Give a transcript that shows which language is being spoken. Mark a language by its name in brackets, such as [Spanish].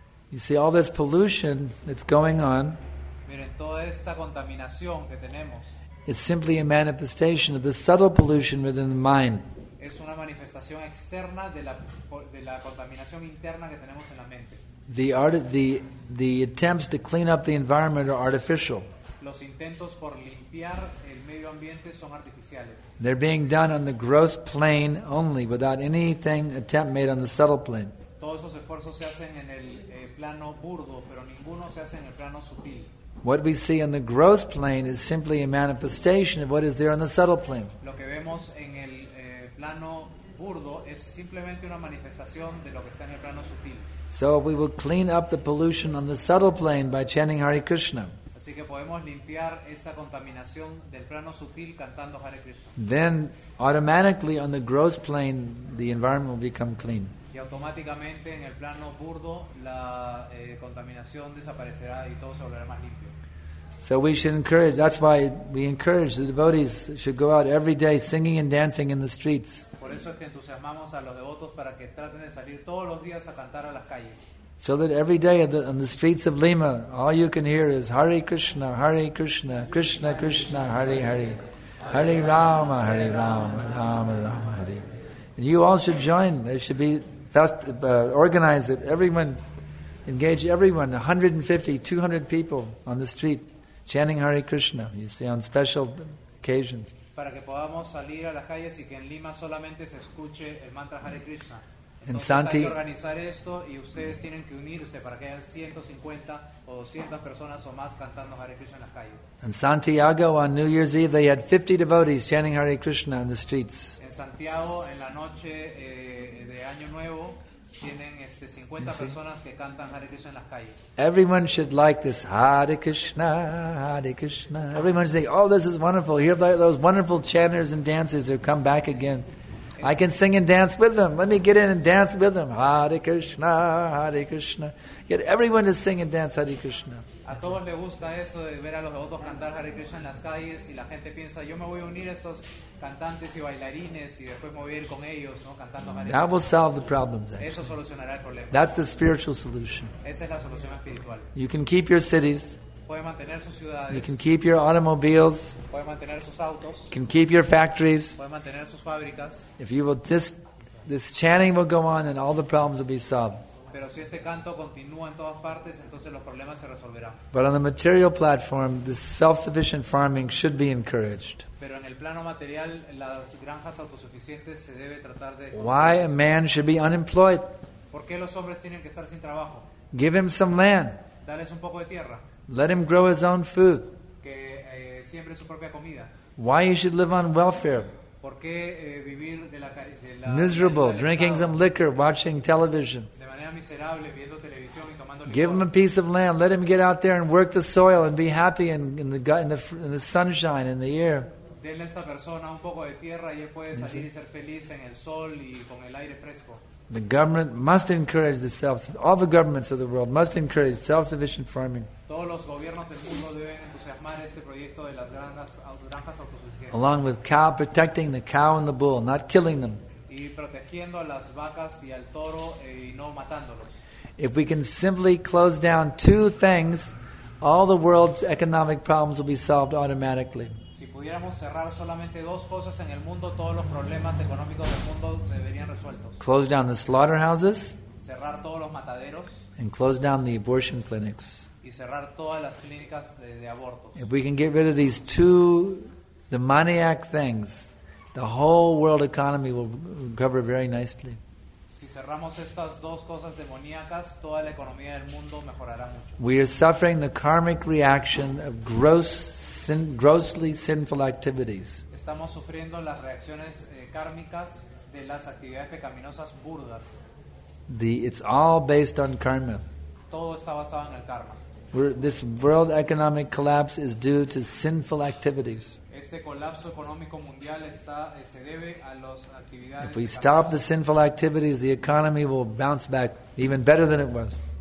[English] You see, all this pollution that's going on, [Spanish] miren, toda esta contaminación que tenemos, [English] is simply a manifestation of the subtle pollution within the mind. [Spanish] Es una manifestación externa de la contaminación interna que tenemos en la mente. [English] The attempts to clean up the environment are artificial. [Spanish] Los intentos por limpiar el medio ambiente son artificiales. [English] They're being done on the gross plane only, without anything attempt made on the subtle plane. [Spanish] Todos esos esfuerzos se hacen en el plano burdo, pero ninguno se hace en el plano sutil. [English] What we see on the gross plane is simply a manifestation of what is there on the subtle plane. [Spanish] Lo que vemos en el plano burdo es simplemente una manifestación de lo que está en el plano sutil. [English] So if we will clean up the pollution on the subtle plane by chanting Hare Krishna. [Spanish] Así Así que podemos limpiar esta contaminación del plano sutil cantando Hare Krishna. [English] Then automatically on the gross plane the environment will become clean. [Spanish] Y automáticamente en el plano burdo la contaminación desaparecerá y todo se volverá más limpio. [English] So we should encourage, that's why we encourage the devotees should go out every day singing and dancing in the streets. [Spanish] Por eso es que entusiasmamos a los devotos para que traten de salir todos los días a cantar a las calles. [English] So that every day on the streets of Lima, all you can hear is Hare Krishna, Hare Krishna, Krishna Krishna, Hare Hare, Hare Rama, Hare Rama, Rama Rama, Hare. And you all should join. There should be organize it. Everyone, engage everyone, 150, 200 people on the street chanting Hare Krishna, you see, on special occasions. [Spanish] Para que podamos salir a las calles y que en Lima solamente se escuche el mantra Hare Krishna. Entonces Santi, hay que organizar esto y ustedes tienen que unirse para que haya 150 o 200 personas o más cantando Hare Krishna en las calles. [English] In Santiago on New Year's Eve they had 50 devotees chanting Hare Krishna in the streets. [Spanish] En Santiago en la noche de Año Nuevo tienen 50 personas que cantan Hare Krishna en las calles. [English] Everyone should like this Hare Krishna, Hare Krishna. Everyone should think, oh, this is wonderful. Here are those wonderful chanters and dancers who come back again. I can sing and dance with them. Let me get in and dance with them. Hare Krishna, Hare Krishna. Get everyone to sing and dance Hare Krishna. [Spanish] A todos les gusta eso de ver a los devotos cantar Hare Krishna en las calles y la gente piensa, yo me voy a unir a estos cantantes y bailarines y después me voy a ir con ellos, ¿no? Cantando Hare Krishna. [English] That will solve the problem. Actually. [Spanish] Eso solucionará el problema. [English] That's the spiritual solution. [Spanish] Esa es la solución espiritual. [English] You can keep your cities. [Spanish] Puede mantener sus ciudades. [English] You can keep your automobiles. [Spanish] Puede mantener sus autos. [English] You can keep your factories. [Spanish] Puede mantener sus fábricas. [English] If you will, this chanting will go on and all the problems will be solved. [Spanish] Pero si este canto continúa en todas partes, entonces los problemas se resolverán. [English] But on the material platform, the self-sufficient farming should be encouraged. [Spanish] Pero en el plano material, las granjas autosuficientes se debe tratar de... [English] Why a man should be unemployed? [Spanish] ¿Por qué los hombres tienen que estar sin trabajo? [English] Give him some land. [Spanish] Dales un poco de tierra. [English] Let him grow his own food. [Spanish] Que, siempre su propia comida. [English] Why you should live on welfare? [Spanish] ¿Por qué, vivir de la, [English] miserable, drinking some liquor, watching television. [Spanish] De manera miserable, viendo televisión y tomando licor. [English] Give him a piece of land. Let him get out there and work the soil and be happy in the sunshine, in the air. [Spanish] Denle a esta persona un poco de tierra y él puede salir y ser feliz en el sol y con el aire fresco. [English] The government must encourage the self. All the governments of the world must encourage self-sufficient farming. [Spanish] Todos los gobiernos del mundo deben entusiasmar este proyecto de las granjas autosuficientes. [English] Along with cow, protecting the cow and the bull, not killing them. [Spanish] Y protegiendo a las vacas y al toro y no matándolos. [English] If we can simply close down two things, all the world's economic problems will be solved automatically. [Spanish] Si pudiéramos cerrar solamente dos cosas en el mundo, todos los problemas económicos del mundo se verían resueltos. [English] Close down the slaughterhouses. [Spanish] Cerrar todos los mataderos. [English] And close down the abortion clinics. [Spanish] Y cerrar todas las clínicas de abortos. [English] If we can get rid of these two demoniac things, the whole world economy will recover very nicely. [Spanish] Si cerramos estas dos cosas demoníacas, toda la economía del mundo mejorará mucho. [English] We are suffering the karmic reaction of grossly sinful activities. [Spanish] Estamos sufriendo las reacciones kármicas de las actividades pecaminosas burdas. [English] It's all based on karma. [Spanish] Todo está basado en el karma. [English] This world economic collapse is due to sinful activities. [Spanish] Este colapso económico mundial está, se debe a las actividades. [English] If we stop the sinful activities, the economy will bounce back even better than it was.